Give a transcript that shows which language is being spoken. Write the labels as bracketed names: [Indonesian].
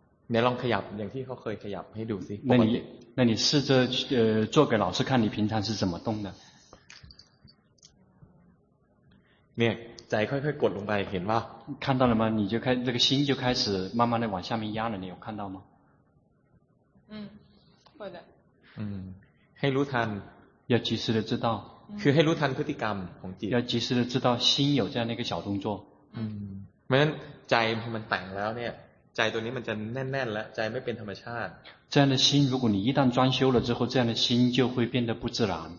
[Thai] เนี่ยลองขยับอย่างที่เขาเคยขยับให้ดูสิ [Chinese] 那你试着做给老师看你平常是怎么动的 [Thai] เนี่ยใจค่อยๆกดลงไปเห็นป่ะ [Chinese] 看到了吗你就开这个心就开始慢慢的往下面压了你有看到吗会的 [Thai] ให้รู้ทัน [Chinese] 要及时的知道 [Thai] คือให้รู้ทันพฤติกรรมของจิต [Chinese] 要及时的知道心有这样的一个小动作 [Thai] เพราะฉะนั้นใจมันแต่งแล้วเนี่ยใจตัวนี้มันจะแน่นๆแล้วใจไม่เป็นธรรมชาติ [Chinese] 这样的心如果你一旦装修了之后这样的心就会变得不自然